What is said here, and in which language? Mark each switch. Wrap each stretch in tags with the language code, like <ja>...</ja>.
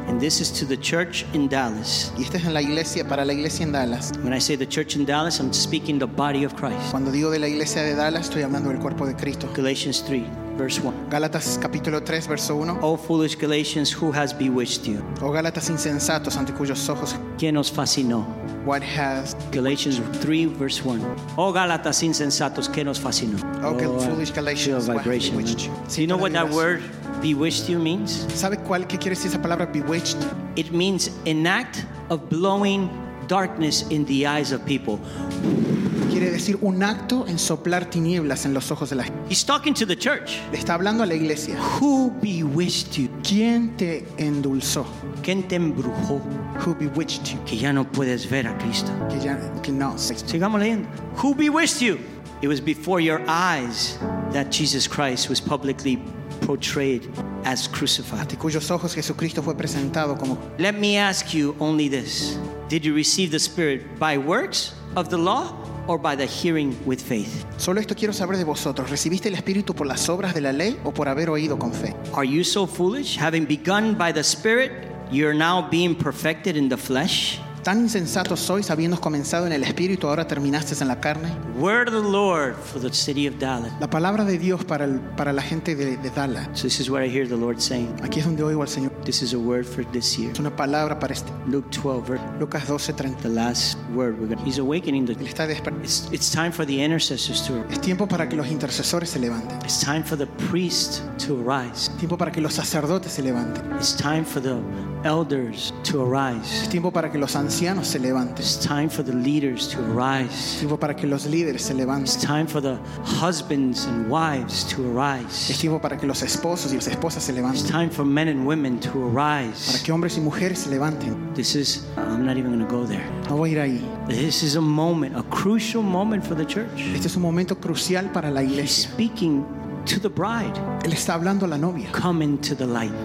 <en>And this is to the church in Dallas.</en> <es>Y esta es en la iglesia, para la iglesia en Dallas.</es> <en>When I say the church in Dallas, I'm speaking the body of Christ.</en> <es>Cuando digo de la iglesia de Dallas, estoy hablando del cuerpo de Cristo.</es> <en>Galatians 3. Verse 1.</en> <es>Galatas capítulo 3 verso 1.</es> <en>Oh foolish Galatians, who has bewitched you?</en> <es>Oh Galatas insensatos, ante cuyos ojos ¿quién os fascinó?</es> <en>What has Galatians 3 verse 1.</en> <es>Oh Galatas insensatos, ¿quién os fascinó?</es> <en>Oh foolish Galatians, who has bewitched you? Do you know what that word bewitched you means?</en> <es>¿Sabe cuál qué quiere decir esa palabra bewitched?</es> <en>It means an act of blowing darkness in the eyes of people.</en> <es>Quiere decir un acto en soplar tinieblas en los ojos de la gente.</es> <en>He's talking to the church.</en> <es>Le está hablando a la iglesia.</es> <en>Who bewitched you?</en> <es>¿Quién te endulzó? ¿Quién te embrujó?</es> <en>Who bewitched you?</en> <es>Que ya no puedes ver a Cristo. Que ya que no. Sigamos leyendo.</es> <en>Who bewitched you? It was before your eyes that Jesus Christ was publicly portrayed as crucified.</en> <es>Ante cuyos ojos Jesucristo fue presentado como.</es> <en>Let me ask you only this. Did you receive the Spirit by works of the law? Or by the hearing with faith.</en> <es>Solo esto quiero saber de vosotros. ¿Recibiste el Espíritu por las obras de la ley o por haber oído con fe?</es> <en>Are you so foolish? Having begun by the Spirit, you're now being perfected in the flesh.</en> <es>Tan insensato sois, habiendo comenzado en el Espíritu, ahora terminaste en la carne.</es> <en>Word of the Lord for the city of Dallas.</en> <es>La palabra de Dios para la gente de Dallas.</es> <en>So this is what I hear the Lord saying.</en> <es>Aquí es donde oigo al Señor.</es> <en>This is a word for this year.</en> <es>Es una palabra para este.</es> <en>Luke 12.</en> <es>Lucas 12, 30.</es> <en>The last word. He's awakening.</en> <es>Él está despertando.</es> <en>It's time for the intercessors to arise.</en> <es>Es tiempo para que los intercesores se levanten.</es> <en>It's time for the priest to arise.</en> <es>Tiempo para que los sacerdotes se levanten.</es> <en>It's time for the elders to arise.</en> <es>Es tiempo para que los ancianos se levanten.</es> <en>It's time for the leaders to arise.</en> <es>Es tiempo para que los líderes se levanten.</es> <en>It's time for the husbands and wives to arise.</en> <es>Es tiempo para que los esposos y las esposas se levanten.</es> <en>It's time for men and women to arise.</en> <es>Para que hombres y mujeres se levanten.</es> <en>This is, I'm not even going to go there.</en> <es>No voy a ir ahí.</es> <en>This is a moment, a crucial moment for the church.</en> <es>Este es un momento crucial para la iglesia.</es> <en>He's speaking to the bride.</en> <es>Él está hablando a la novia.</es> <en>Come into the light.</en>